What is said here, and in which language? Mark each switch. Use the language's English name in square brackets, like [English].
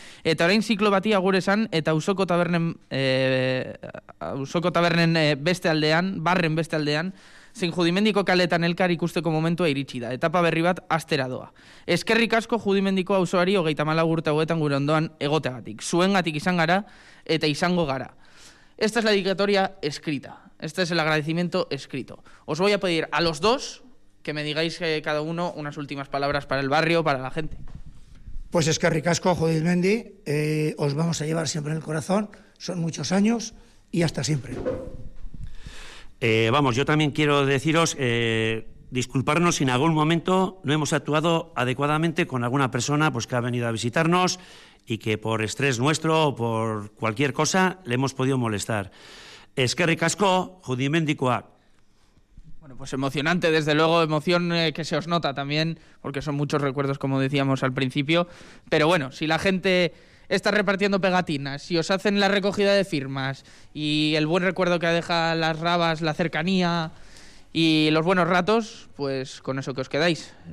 [Basque] Eta orain ziklo bati agure esan eta Ausoko tabernen beste aldean, barren beste aldean, zein Judimendiko kaletan elkar ikusteko momentua iritsi da. Etapa berri bat astera doa. Eskerrik asko Judimendiko auzoari 34 urte hauetan gure ondoan egoteagatik. Zuengatik izan gara eta izango gara. [Spanish] Esta es la dedicatoria escrita. Este es el agradecimiento escrito. Os voy a pedir a los dos que me digáis cada uno unas últimas palabras para el barrio, para la gente. [Basque] Pues eskerrik asko, Judimendi. [Spanish] Os vamos a llevar siempre en el corazón. Son muchos años y hasta siempre. Vamos, yo también quiero deciros, disculparnos si en algún momento no hemos actuado adecuadamente con alguna persona pues, que ha venido a visitarnos y que por estrés nuestro o por cualquier cosa le hemos podido molestar. [Basque] Eskerrik asko, Judimendikoak. [Spanish] Bueno, pues emocionante, desde luego, emoción que se os nota también, porque son muchos recuerdos, como decíamos al principio. Pero bueno, si la gente está repartiendo pegatinas, si os hacen la recogida de firmas y el buen recuerdo que deja las rabas, la cercanía y los buenos ratos, pues con eso que os quedáis.